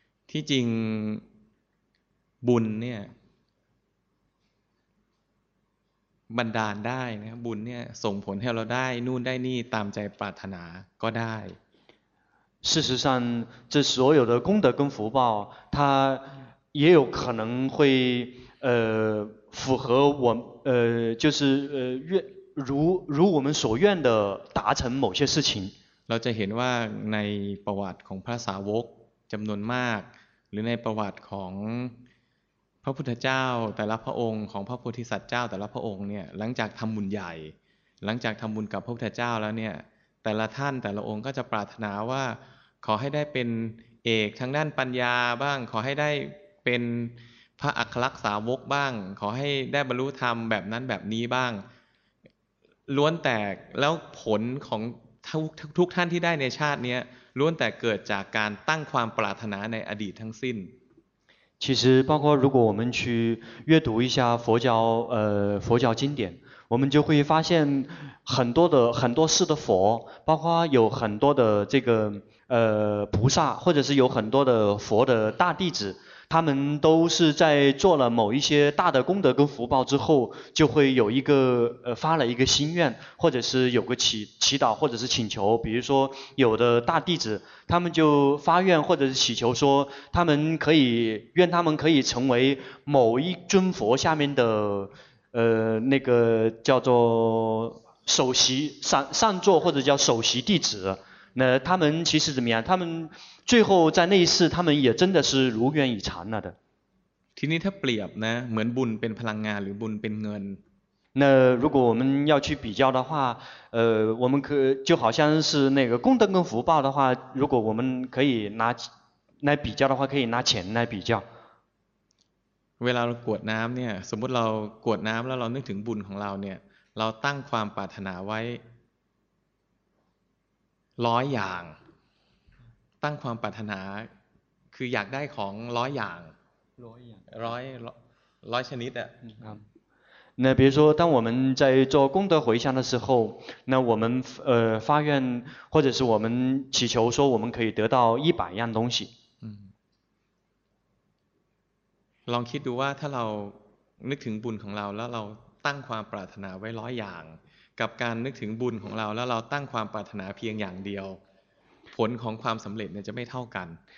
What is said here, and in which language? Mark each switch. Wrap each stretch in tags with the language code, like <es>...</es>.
<th>ที่จริงบุญเนี่ยบันดาลได้นะบุญเนี่ยส่งผลให้เราได้นู่นได้นี่ตามใจปรารถนาก็ได้</th> <zh>事实上这所有的功德跟福报它也有可能会符合我就是如我们所愿的达成某些事情</zh> <th>เราจะเห็นว่าในประวัติของพระสาวกจำนวนมากหรือในประวัติของพระพุทธเจ้าแต่ละพระองค์ของพระโพธิสัตว์เจ้าแต่ละพระองค์เนี่ยหลังจากทําบุญใหญ่หลังจากทําบุญกับพระพุทธเจ้าแล้วเนี่ยแต่ละท่านแต่ละองค์ก็จะปรารถนาว่าขอให้ได้เป็นเอกทางด้านปัญญาบ้างขอให้ได้เป็น พระอัครสาวกบ้างขอให้ได้บรรลุธรรมแบบนั้นแบบนี้บ้างล้วนแตกแล้วผลของทุกท่านที่ได้ในชาตินี้ล้วนแต่เกิดจากการตั้งความปรารถนาในอดีตทั้งสิ้น</th> <zh>其实包括如果我们去阅读一下佛教经典我们就会发现很多世的佛包括有很多的这个菩萨或者是有很多的佛的大弟子他们都是在做了某一些大的功德跟福报之后就会有一个发了一个心愿或者是有个祈祷或者是请求比如说有的大弟子他们就发愿或者是祈求说他们可以愿他们可以成为某一尊佛下面的那个叫做首席上座或者叫首席弟子那他们其实怎么样他们最后在那一世他们也真的是如愿以偿了的</zh> <th>ทีนี้ถ้าเปรียบนะเหมือนบุญเป็นพลังงานหรือบุญเป็นเงิน</th> <zh>那如果我们要去比较的话我们可就好像是那个功德跟福报的话如果我们可以拿来比较的话可以拿钱来比较</zh> <th>เวลาเรากวดน้ำเนี่ยสมมติเรากวดน้ำแล้วเรานึกถึงบุญของเราเนี่ยเราตั้งความปรารถนาไว้ร้อยอย่างตั้งความปรารถนาคืออยากได้ของร้อยอย่าง ร้อย ชนิดอ่ะ</th> <zh>ครับ那比如说当我们在做功德回向的时候那我们发愿或者是我们祈求说我们可以得到一百样东西</zh> <th>ลองคิดดูว่าถ้าเรานึกถึงบุญของเราแล้วเราตั้งความปรารถนาไว้ร้อยอย่างกับการนึกถึงบุญของเราแล้วเราตั้งความปรารถนาเพียงอย่างเดียวผลของความสำเร็จเนี่ยจะไม่เท่ากัน</th>